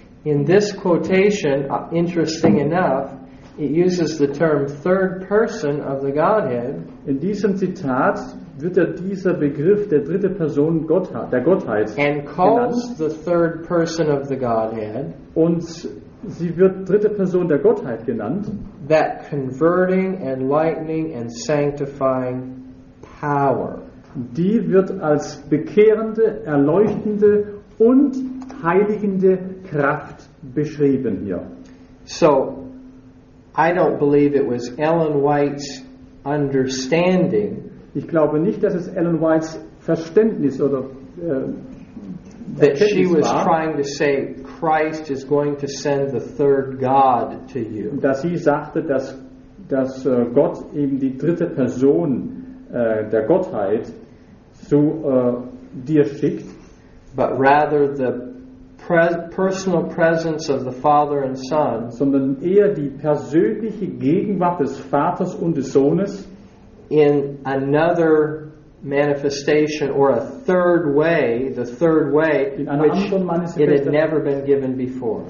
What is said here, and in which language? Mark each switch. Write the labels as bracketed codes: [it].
[en] In this quotation, interesting enough, it uses the term third person of the Godhead. [de] In diesem Zitat wird dieser Begriff der dritte Person der Gottheit genannt. [en] And calls the third person of the Godhead. [de] Und sie wird dritte Person der Gottheit genannt. [en] That converting, enlightening and sanctifying power. [de] Die wird als bekehrende, erleuchtende und heiligende Kraft beschrieben hier. [en] So, I don't believe it was Ellen White's understanding. [de] Ich glaube nicht, dass es Ellen White's Verständnis oder [en] that she was trying to say Christ is going to send the third God to you. [de] Dass sie sagte, dass Gott eben die dritte Person der Gottheit zu dir schickt, [en] but rather the personal presence of the Father and Son, [de] sondern eher die persönliche Gegenwart des Vaters und des Sohnes, [en] in another manifestation or a third way, the third way, which it had never been given before.